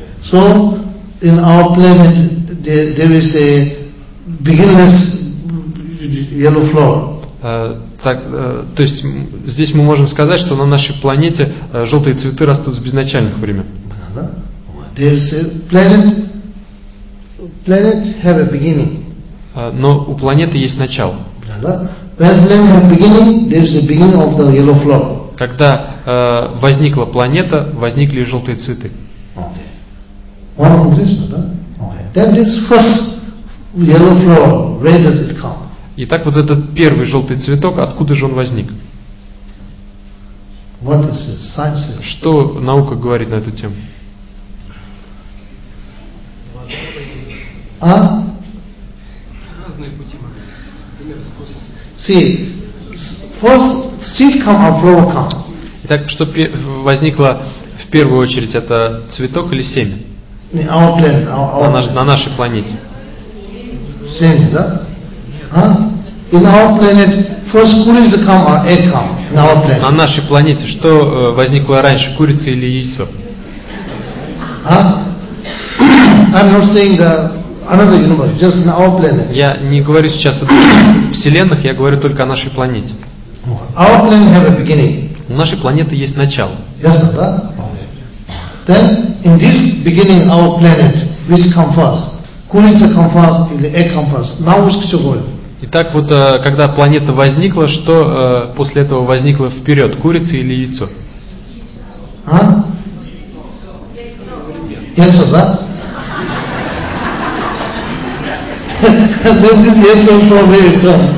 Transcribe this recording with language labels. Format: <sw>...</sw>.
<en>So in our planet there is a beginner's yellow flower.</en> <ru>То есть здесь мы можем сказать, что на нашей планете желтые цветы растут с безначальных времен.</ru> <en>There is a planet have a beginning.</en> <ru>Но у планеты есть начало.</ru> <en>When planet have beginning, there is a beginning of the yellow flower.</en> <ru>Когда возникла планета, возникли желтые цветы.</ru> <en>Okay. One of this,</en> <ru>да?</ru> <en>Okay. Then this first yellow flower, where does it come?</en> <ru>Итак, вот этот первый желтый цветок, откуда же он возник?</ru> <en>What is it? Science.</en> <ru>Что наука говорит на эту тему? А? Разные пути.</ru> <en>See, first seed come or flower come.</en> <ru>Итак, что возникло в первую очередь, это цветок или семя? На нашей планете. Семя, да?</ru> <en>In our planet, first</en> <ru>курица</ru> <en>come or egg come? In our planet.</en> <ru>На нашей планете что возникло раньше, курица или яйцо?</ru> <en>I'm not saying the another universe, just in our planet.</en> <ru>Я не говорю сейчас о вселенных, я говорю только о нашей планете.</ru> <en>Our planet have a beginning.</en> <ru>У нашей планеты есть начало.</ru> <en>Yes, sir,</en> <ru>да?</ru> <en>Okay. Then in this beginning our planet, which come first?</en> <ru>Курица</ru> <en>come first или egg come first? Now which question going?</en> <ru>Итак, вот когда планета возникла, что после этого возникло вперед? Курица или яйцо? А? Яйцо, да?</ru> <en>This is</en> <ru>яйцо</ru> <en>from яйцо.</en>